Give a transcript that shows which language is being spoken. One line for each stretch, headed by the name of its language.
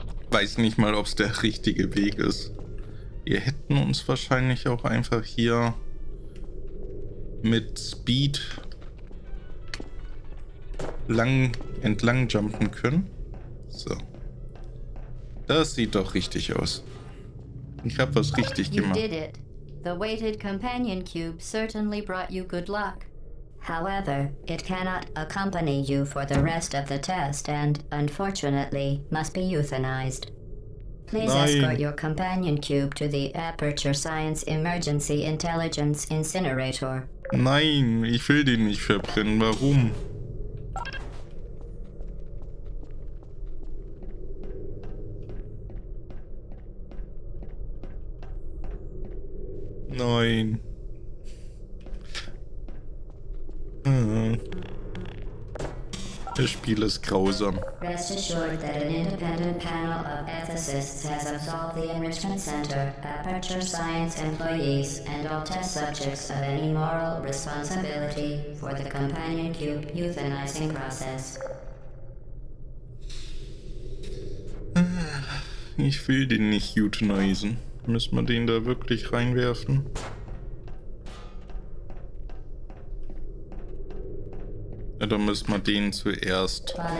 German: Weiß nicht mal, ob es der richtige Weg ist. Wir hätten uns wahrscheinlich auch einfach hier mit Speed lang entlang jumpen können. So. Das sieht doch richtig aus. Ich habe was richtig gemacht.
English: You did it. The weighted companion cube certainly brought you good luck. However, it cannot accompany you for the rest of the test and unfortunately must be euthanized. Please escort your companion cube to the Aperture Science Emergency Intelligence Incinerator.
German: Nein, ich will den nicht verbrennen. Warum? Nein. Das Spiel ist grausam.
English: Rest assured that an independent panel of ethicists has absolved the Enrichment Center, Aperture Science employees, and all test subjects of any moral responsibility for the companion cube euthanizing process.
German: Ich will den nicht euthanizen. Müssen wir den da wirklich reinwerfen? Ja, dann müssen wir den zuerst.